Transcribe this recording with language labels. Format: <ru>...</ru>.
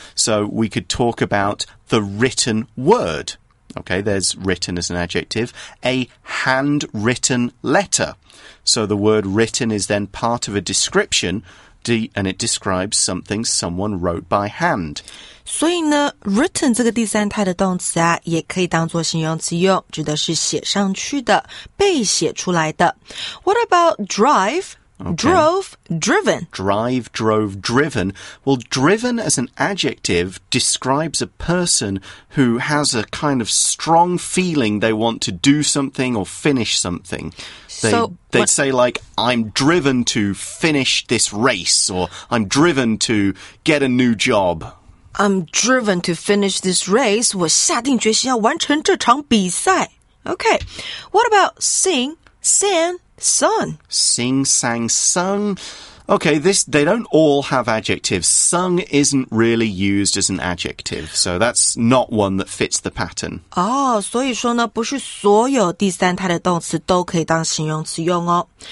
<en>So we could talk about the written word. Okay, there's written as an adjective. A handwritten letter. So the word written is then part of a description,and it describes something someone wrote by hand.</en> <zh>所以呢 written 这个第三态的动词啊，也可以当作形容词用，指的是写上去的，被写出来的。</zh> <en>What about drive? Okay. Drove, driven. Drive, drove, driven. Well, driven as an adjective describes a person who has a kind of strong feeling they want to do something or finish something. They'd say like, I'm driven to finish this race, or I'm driven to get a new job. I'm driven to finish this race.</en> <zh>我下定决心要完成这场比赛。</zh> <en>Okay, what about sing, sin? Sung. Sing, sang, sung. Okay, they don't all have adjectives. Sung isn't really used as an adjective, so that's not one that fits the pattern.</en> <zh>Oh, 所以说呢，不是所有第三态的动词都可以当形容词用哦。</zh>